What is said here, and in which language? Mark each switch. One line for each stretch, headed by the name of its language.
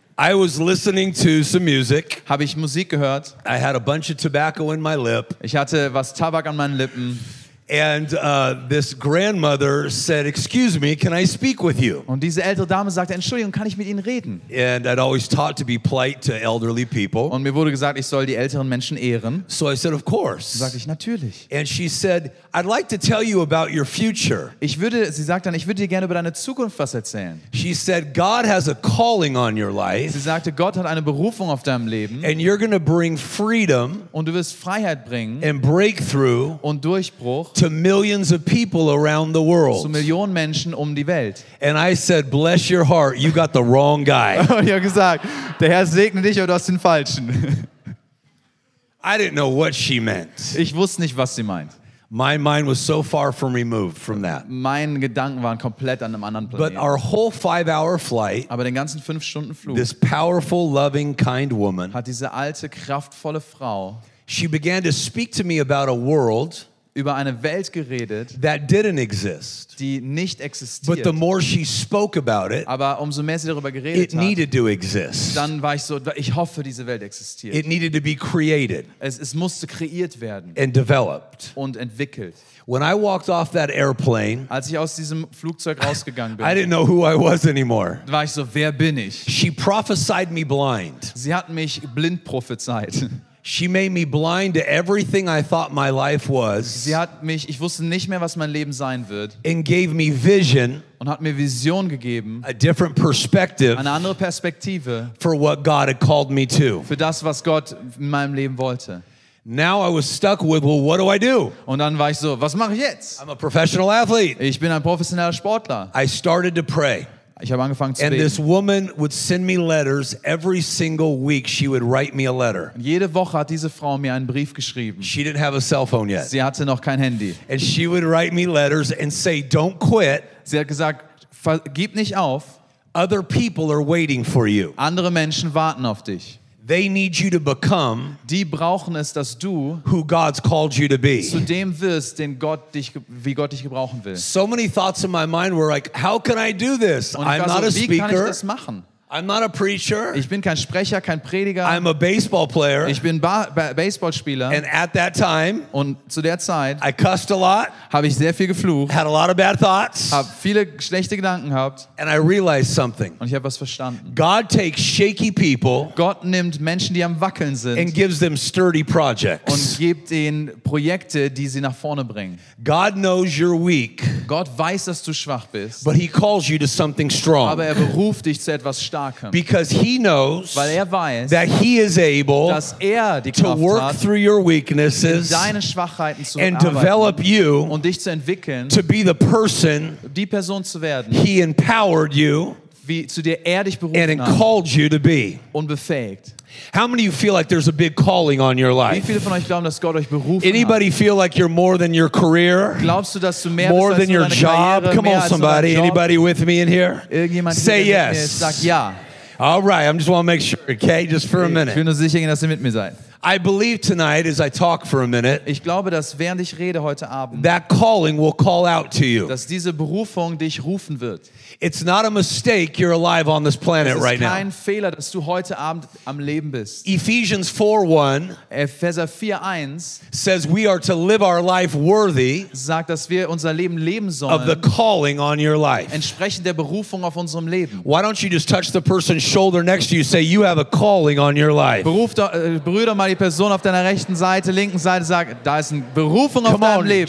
English: I was listening to some music.
German: Habe ich Musik gehört.
English: I had a bunch of tobacco in my lip.
German: Ich hatte was Tabak an meinen Lippen.
English: And this grandmother said, "Excuse me, can I speak with you?"
German: Und diese ältere Dame sagte, Entschuldigung, kann ich mit Ihnen reden?
English: And I'd always taught to be polite to elderly people.
German: Und mir wurde gesagt, ich soll die älteren Menschen ehren.
English: So I said, "Of course."
German: Sagte ich, natürlich.
English: And she said, "I'd like to tell you about your future."
German: Sie sagte dann, ich würde dir gerne über deine Zukunft was erzählen.
English: She said, "God has a calling on your life."
German: Sie sagte, Gott hat eine Berufung auf deinem Leben.
English: And you're going to bring freedom.
German: Und du wirst Freiheit bringen.
English: And breakthrough.
German: Und Durchbruch.
English: To millions of people around the world.
German: Zu Millionen Menschen die Welt.
English: And I said, "Bless your heart, you got the wrong guy."
German: Und ich habe gesagt, der Herr segne dich, aber du hast den falschen.
English: I didn't know what she meant.
German: Ich wusste nicht, was sie meint.
English: My mind was so far from removed from that.
German: Meine Gedanken waren komplett an einem anderen Planeten.
English: But our whole 5-hour flight.
German: Aber den ganzen 5-Stunden Flug.
English: This powerful, loving, kind woman.
German: Hat diese alte, kraftvolle Frau.
English: She began to speak to me about a world.
German: Über eine Welt geredet,
English: that didn't exist.
German: Die nicht existiert.
English: But the more she spoke about it,
German: aber umso mehr sie darüber geredet
English: it needed
German: hat,
English: to exist.
German: Dann war ich so, ich hoffe, diese Welt existiert.
English: It needed to be created.
German: Es musste kreiert werden.
English: And developed.
German: Und entwickelt.
English: When I walked off that airplane,
German: als ich aus diesem Flugzeug rausgegangen bin,
English: I didn't know who I was anymore.
German: War ich so, wer bin ich?
English: She prophesied me blind.
German: Sie hat mich blind prophezeit.
English: She made me blind to everything I thought my life was.
German: Sie hat mich, ich wusste nicht mehr, was mein Leben sein wird.
English: And gave me vision.
German: Und hat mir Vision gegeben.
English: A different perspective.
German: Eine andere Perspektive.
English: For what God had called me to.
German: Für das, was Gott in meinem Leben wollte.
English: Now I was stuck with, well, what do I do?
German: Und dann war ich so, was mache ich jetzt?
English: I'm a professional athlete.
German: Ich bin ein professioneller Sportler.
English: I started to pray.
German: Ich habe angefangen zu beten.
English: And this woman would send me letters every single week. She would write me a letter.
German: Jede Woche hat diese Frau mir einen Brief geschrieben.
English: She didn't have a cell phone yet.
German: Sie hatte noch kein Handy.
English: And she would write me letters and say, "Don't quit."
German: Sie hat gesagt, gib nicht auf.
English: Other people are waiting for you.
German: Andere Menschen warten auf dich.
English: They need you to become.
German: Die brauchen es, dass du
English: who God's called you to be.
German: Zu dem wirst, den Gott dich, wie Gott dich gebrauchen will.
English: So many thoughts in my mind were like, how can I do this?
German: Und
English: I'm not a speaker.
German: Wie kann ich das machen?
English: I'm not a preacher.
German: Ich bin kein Sprecher, kein Prediger.
English: I'm a baseball player.
German: Ich bin Baseballspieler.
English: And at that time,
German: und zu der Zeit,
English: I cussed a lot.
German: Habe ich sehr viel geflucht.
English: Had a lot of bad thoughts.
German: Habe viele schlechte Gedanken gehabt.
English: And I realized something.
German: Und ich habe was verstanden.
English: God takes shaky people.
German: Gott nimmt Menschen, die am Wackeln sind.
English: And gives them sturdy projects.
German: Und gibt ihnen Projekte, die sie nach vorne bringen.
English: God knows you're weak.
German: Gott weiß, dass du schwach bist.
English: But he calls you to something strong.
German: Aber er beruft dich zu etwas starkem.
English: Because he knows,
German: weil er weiß,
English: that he is able,
German: dass er die
English: to
German: Kraft
English: work
German: hat,
English: through your weaknesses,
German: deine Schwachheiten zu
English: and develop you,
German: und dich zu entwickeln,
English: to be the person,
German: die Person zu werden,
English: he empowered you,
German: wie, zu der er dich berufen
English: and
German: hat,
English: called you to be,
German: und befähigt.
English: How many of you feel like there's a big calling on your life?
German: Wie viele von euch glauben, dass Gott euch berufen
English: anybody
German: hat?
English: Feel like you're more than your career?
German: Glaubst du, dass du mehr
English: more
German: bist
English: than
German: als
English: your job?
German: Karriere,
English: come on, somebody. Anybody with me in here?
German: Irgendjemand
English: say
German: hier
English: yes.
German: Mit mir, sag ja.
English: All right, I just want to make sure, okay, just for a minute.
German: Ich will nur sicher gehen, dass ihr mit mir seid.
English: I believe tonight, as I talk for a minute,
German: ich glaube, dass während ich rede heute Abend,
English: that calling will call out to you.
German: Dass diese Berufung dich rufen wird.
English: It's not a mistake you're alive on this planet right now.
German: Es ist kein Fehler, dass du heute Abend am Leben bist.
English: Ephesians 4:1,
German: Epheser 4:1,
English: says we are to live our life worthy,
German: sagt, dass wir unser Leben leben sollen,
English: of the calling on your life.
German: Entsprechend der Berufung auf unserem Leben.
English: Why don't you just touch the person's shoulder next to you, say you have a calling on your life.
German: Brüder, mal die Person auf deiner rechten Seite, linken Seite, sag, da ist eine Berufung auf deinem Leben.